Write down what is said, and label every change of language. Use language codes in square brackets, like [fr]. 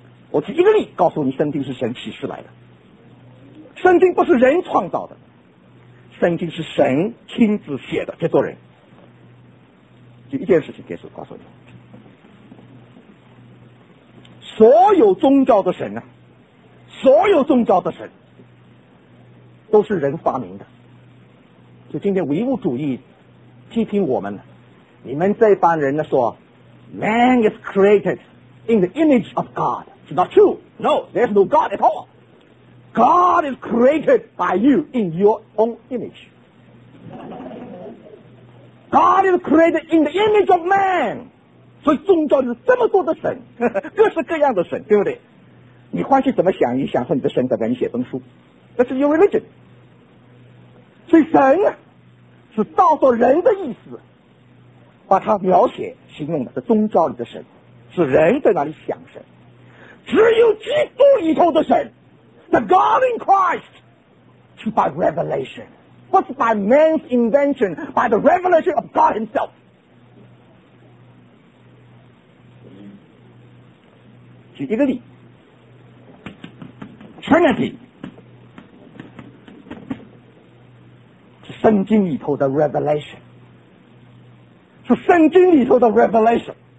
[zh] 我举一个例告诉你，圣经是神启示来的，圣经不是人创造的，圣经是神亲自写的，这做人。就一件事情结束，告诉你，所有宗教的神啊，所有宗教的神都是人发明的。就今天唯物主义批评我们，你们这帮人呢说 [en] ，Man is created in the image of God， it's not true， no， there's no God at all。 God is created by you in your own image. God is created in the image of man. [zh] 所以宗教有这么多的神，各式各样的神，对不对？你换去怎么想一想，说你的神在给你写本书，那是 [en] your religion。 [zh] 所以神是照着人的意思把它描写形容的，是宗教里的神，是人在那里想神。只有基督里头的神， [en] The God in Christ is by revelation, not by man's invention, by the revelation of God himself. [zh] 举一个例， Trinity 是圣经里头的 revelation， 是圣经里头的 revelation。